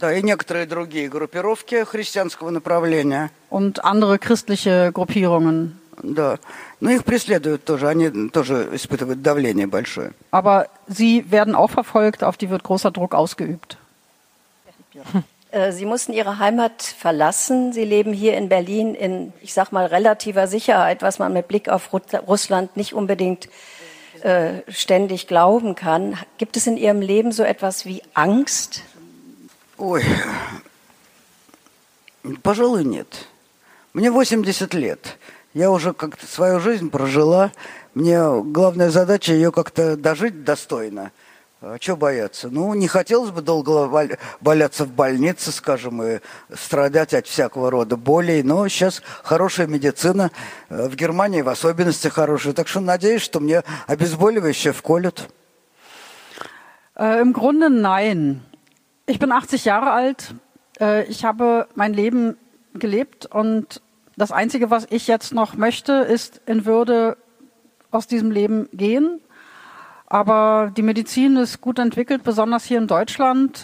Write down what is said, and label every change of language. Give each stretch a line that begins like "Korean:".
Russian: Да, и некоторые другие группировки христианского направления.
German: Und andere christliche Gruppierungen.
Russian: Да, но их преследуют тоже, они тоже испытывают давление большое.
German: Aber sie werden auch verfolgt, auf die wird großer Druck ausgeübt. Sie mussten Ihre Heimat verlassen. Sie leben hier in Berlin in, ich sag mal, relativer Sicherheit, was man mit Blick auf Russland nicht unbedingt ständig glauben kann. Gibt es in Ihrem Leben so etwas wie Angst?
Russian: Ой, пожалуй, нет. Мне 80 лет. Я уже как-то свою жизнь прожила. Мне главная задача ее как-то дожить достойно. Чего бояться? Ну, не хотелось бы долго валяться в больнице, скажем, и страдать от всякого рода болей, но сейчас хорошая медицина, в Германии в особенности хорошая, так что надеюсь, что мне обезболивающее вколют.
German: Im Grunde nein. Ich bin 80 Jahre alt. Ich habe mein Leben gelebt und das Einzige, was ich jetzt noch möchte, ist in Würde aus diesem Leben gehen. Aber die Medizin ist gut entwickelt, besonders hier in Deutschland.